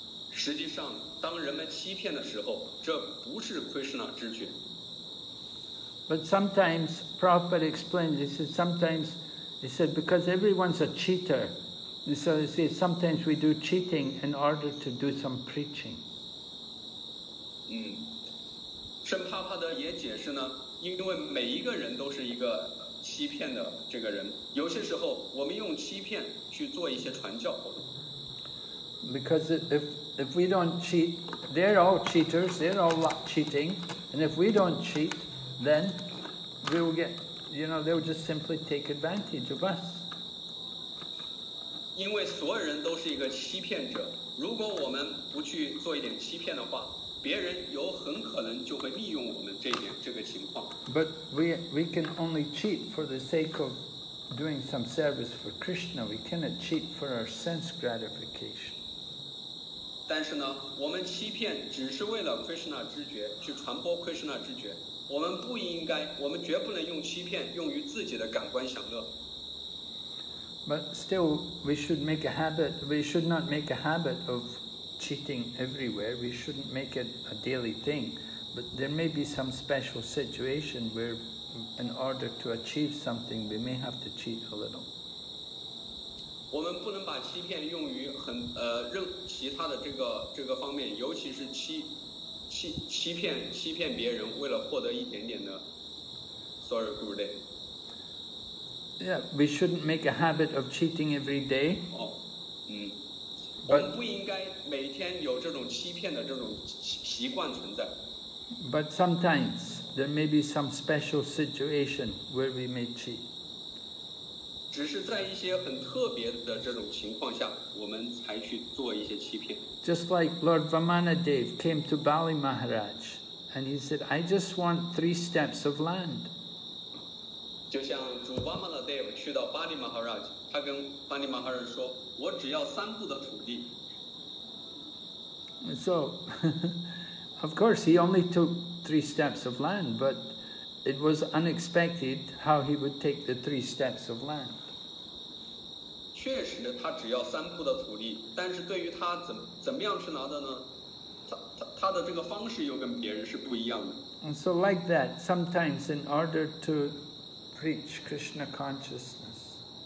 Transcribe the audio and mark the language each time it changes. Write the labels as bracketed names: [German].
[Chinese] 实际上。当人们欺骗的时候，这不是 Krishna 之觉。 [English] But sometimes Prabhupada explains, he said, sometimes, he said, because everyone's a cheater, and so he said, sometimes we do cheating in order to do some preaching. [Chinese] 嗯，圣帕帕德也解释呢，因为每一个人都是一个欺骗的这个人，有些时候我们用欺骗去做一些传教活动。 [English] Because if we don't cheat, they're all cheaters, they're all cheating, and if we don't cheat, then we will get, you know, they will just simply take advantage of us. But we can only cheat for the sake of doing some service for Krishna, we cannot cheat for our sense gratification. [Chinese] 但是呢，我们欺骗只是为了 Krishna 知觉，去传播 Krishna 知觉。我们绝不能用欺骗用于自己的感官享乐。 [English] But still, we should make a habit. We should not make a habit of cheating everywhere. We shouldn't make it a daily thing. But there may be some special situation where, in order to achieve something, we may have to cheat a little. [Chinese] 我们不能把欺骗用于任其他的这个方面，尤其是欺骗别人，为了获得一点点的 ， [English] sorry, good day. Yeah, we shouldn't make a habit of cheating every day. [Chinese] 我们不应该每天有这种欺骗的这种习惯存在。 [English] But sometimes there may be some special situation where we may cheat. [Chinese] 只是在一些很特别的这种情况下，我们才去做一些欺骗。 [English] Just like Lord Vamanadeva came to Bali Maharaj, and he said, "I just want 3 steps of land." [Chinese] 就像主 Vamanadeva 去到 Bali Maharaj, 他跟 Bali Maharaj 说，我只要3步的土地。 [English] So, of course, he only took 3 steps of land, but. It was unexpected how he would take the 3 steps of land. [Chinese] 确实他只要3步的土地，但是对于他怎么样去拿的呢？他的这个方式又跟别人是不一样的。 [English] And so like that, sometimes in order to preach Krishna consciousness.